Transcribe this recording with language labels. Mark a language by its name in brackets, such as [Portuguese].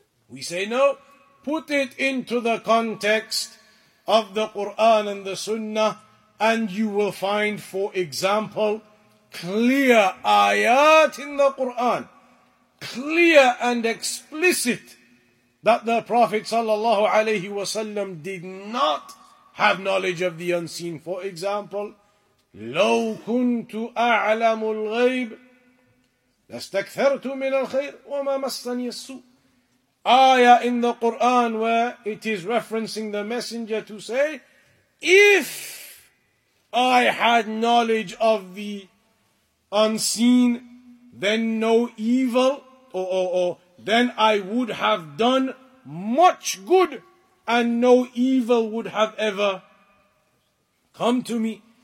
[English] We say no, put it into the context of the Qur'an and the Sunnah, and you will find, for example, clear ayat in the Qur'an, clear and explicit that the Prophet sallallahu alayhi wasallam did not have knowledge of the unseen. [Arabic] For example, لو كنت أعلم الغيب لاستكثرت من الخير وما مسني السوء. [English] Ayah in the Quran where it is referencing the messenger to say, if I had knowledge of the unseen, then no evil, then I would have done much good and no evil would have ever come to me.